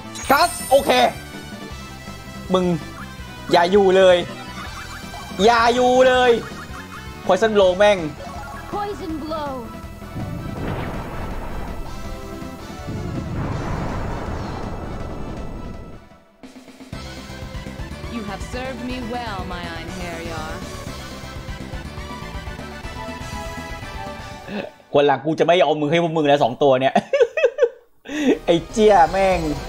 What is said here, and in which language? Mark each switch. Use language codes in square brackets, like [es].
[th] กัสโอเคมึงอย่าอยู่เลยอย่าอยู่เลย Poison Blow แม่ง [en] Poison Blow You have served me well my Einherjar [th] คนหลังกูจะไม่เอามือให้พวกมึงแล้ว2ตัวเนี่ย ไอ้เจี้ยแม่ง